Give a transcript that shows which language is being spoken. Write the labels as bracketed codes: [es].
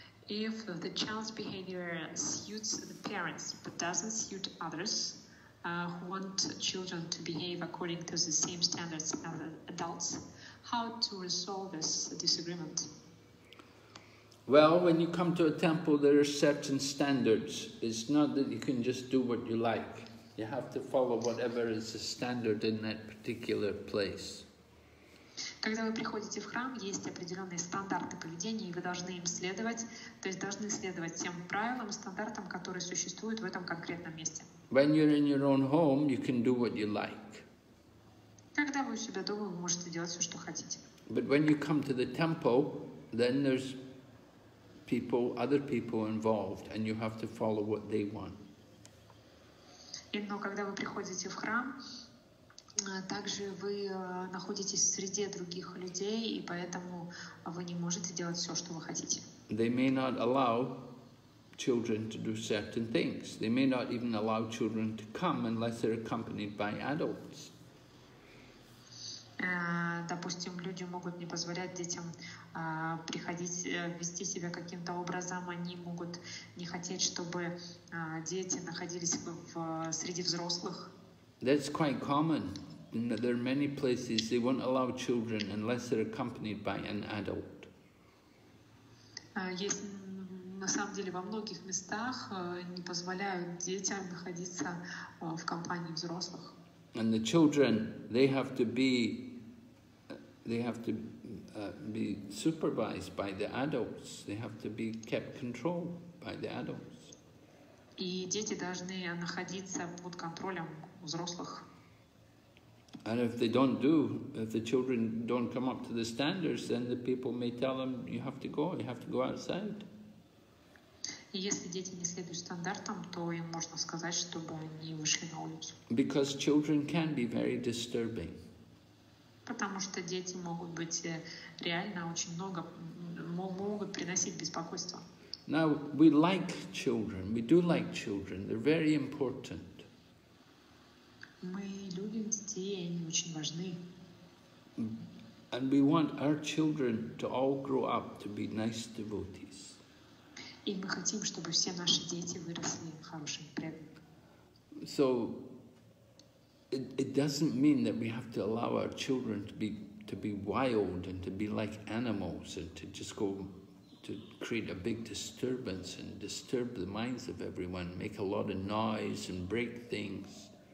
[en] If the child's behavior suits the parents but doesn't suit others who want children to behave according to the same standards as adults, how to resolve this disagreement? Well, when you come to a temple, there are certain standards. It's not that you can just do what you like. You have to follow whatever is the standard in that particular place. [ru] Когда вы приходите в храм, есть определенные стандарты поведения, и вы должны им следовать, то есть должны следовать тем правилам, стандартам, которые существуют в этом конкретном месте. [en] When you're in your own home, you can do what you like. [ru] Когда вы у себя дома, вы можете делать все, что хотите. [en] But when you come to the temple, then there's people, other people involved, and you have to follow what they want. [ru] Но когда вы приходите в храм, также вы находитесь в среде других людей, и поэтому вы не можете делать все, что вы хотите. [en] They may not allow children to do certain things. They may not even allow children to come unless they're accompanied by adults. [ru] Допустим, люди могут не позволять детям приходить, вести себя каким-то образом. Они могут не хотеть, чтобы дети находились в среди взрослых. [en] That's quite common. There are many places they won't allow children unless they're accompanied by an adult. [ru] Есть на самом деле во многих местах не позволяют детям находиться в компании взрослых. [en] And the children, they have to be supervised by the adults. They have to be kept controlled by the adults. [ru] И дети должны находиться под контролем взрослых. [en] And if the children don't come up to the standards, then the people may tell them, you have to go outside. [ru] И если дети не следуют стандартам, то им можно сказать, чтобы они вышли на улицу. [en] Because children can be very disturbing. [ru] Потому что дети могут быть реально очень много, могут приносить беспокойство. [en] Now, we like children, we do like children, they're very important. [ru] Мы любим детей, они очень важны. [en] And we want our children to all grow up to be nice devotees. [ru] И мы хотим, чтобы все наши дети выросли хорошими преданными. [en] So it doesn't mean that we have to allow our children to be wild and to be like animals and to just go to create a big disturbance and disturb the minds of everyone, make a lot of noise and break things.